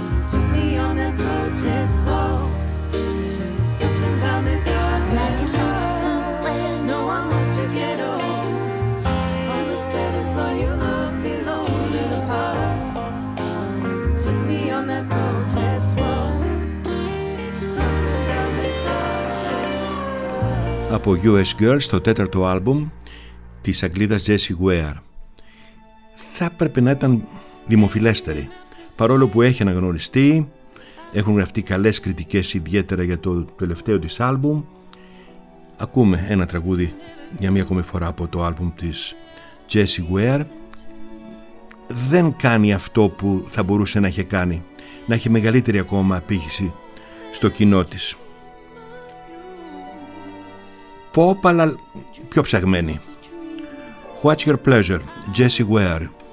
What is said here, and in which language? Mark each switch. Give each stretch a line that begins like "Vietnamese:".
English: Took me on that protest wall. Something about the dark like a car. No one wants to get on the seventh floor, you look below to the park. Took me on that protest wall. Something about the dark.
Greek: Από US Girls, το τέταρτο άλμπουμ της Αγγλίδας Jessie Ware. Θα έπρεπε να ήταν δημοφιλέστερη, παρόλο που έχει αναγνωριστεί, έχουν γραφτεί καλές κριτικές, ιδιαίτερα για το τελευταίο της άλμπουμ. Ακούμε ένα τραγούδι για μία ακόμη φορά από το άλμπουμ της Jessie Ware. Δεν κάνει αυτό που θα μπορούσε να έχει κάνει, να έχει μεγαλύτερη ακόμα απήχηση στο κοινό της. Pop, αλλά πιο ψαγμένη.
English: What's your pleasure, Jessie Ware?